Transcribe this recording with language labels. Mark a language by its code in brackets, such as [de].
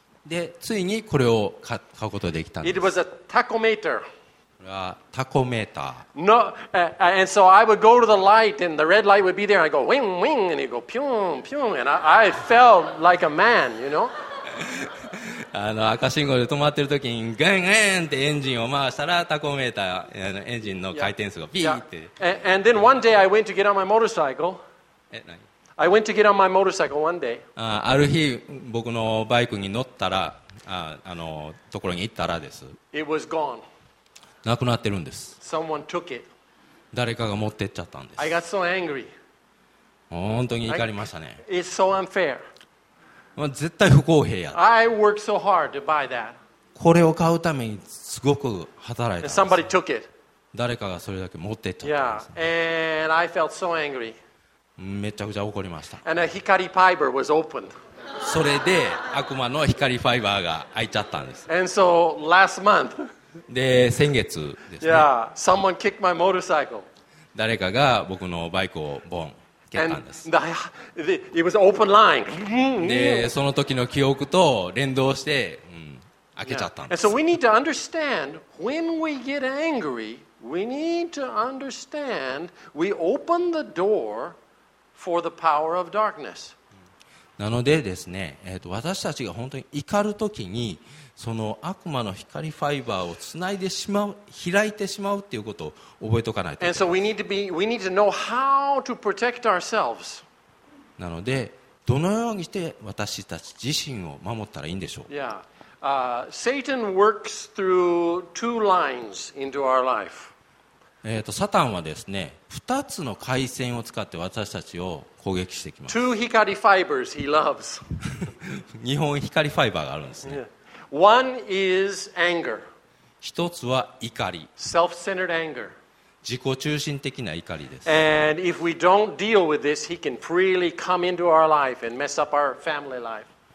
[ja] でついにこれを買うことができたんです。 [en] It was a tachometer. [ja] タコメーター。 [en] No, and so I would go to the light, and the red light would be there. I go wing wing, and it go pium pium, and I felt like a man, you know. [ja] 赤信号で止まってる時にガンガンってエンジンを回したらタコメーターエンジンの回転数がピーって。 [en] And then one day I went to get on my motorcycle. I went to get on my motorcycle one day. [ja] ある日僕のバイクに乗ったら、ところに行ったらです。 [en] It was gone. [ja] 亡くなってるんです。 [en] Someone took it. [ja] 誰かが持ってっちゃったんです。 [en] I got so angry. [ja] 本当に怒りましたね。 [en] It's so unfair. [ja] 絶対不公平や。 [en] I worked so hard to buy that. [ja] これを買うためにすごく働いたんです。 [en] Somebody took it. [ja] 誰かがそれだけ持ってっちゃったんです、ね。 [en] Yeah. And I felt so angry. [ja] めちゃくちゃ怒りました。 [en] And a Hikari fiber was opened. [ja] それで悪魔の光ファイバーが開いちゃったんです。 [en] And so last month. [ja] で先月ですね。 [en] Yeah, someone kicked my motorcycle. [ja] 誰かが僕のバイクをボン蹴ったんです。 [en] It was open line. [ja] でその時の記憶と連動して、開けちゃったんです。 [en] And so we need to understand when we get angry, we need to understand we open the door for the power of darkness. [ja] なのでですね、私たちが本当に怒る時に。その悪魔の光ファイバーをつないでしまう、開いてしまうということを覚えておかないといけない。なのでどのようにして私たち自身を守ったらいいんでしょう。 yeah. [en] Satan works through two lines into our life. [ja] サタンはですね、2つの回線を使って私たちを攻撃してきます。 [en] Two Hikari fibers he loves. [ja] 日本光ファイバーがあるんですね。 [en] yeah. One is anger. [ja] 一つは怒り。 [en] Self-centered anger. [ja] 自己中心的な怒りです。 [en] And if we don't deal with this, he can freely come into our life and mess up our family life.